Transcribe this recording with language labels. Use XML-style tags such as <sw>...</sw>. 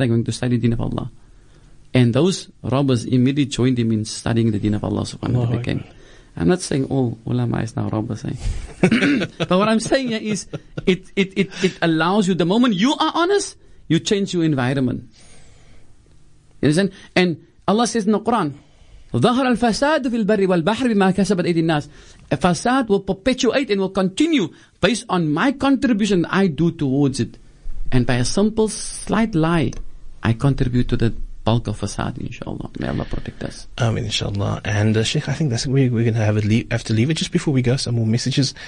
<en>I'm going to study the Deen of Allah." And those robbers immediately joined him in studying the Deen of Allah. I'm not saying all ulama is now robbers. Eh? But what I'm saying is, it allows you, the moment you are honest, you change your environment. You understand? And Allah says in the Quran,</en> <ar>ظَهَرَ الْفَسَادُ فِي الْبَرِّ وَالْبَحْرِ بِمَا كَسَبَتْ أَيْدِي النَّاسِ.</ar> <en>A facade will perpetuate and will continue based on my contribution I do towards it. And by a simple, slight lie, I contribute to the bulk of facade, inshallah. May Allah protect us. Amen, inshallah. And Sheikh, I think that's where we're going to have to leave it. Just before we go, some more messages.</en>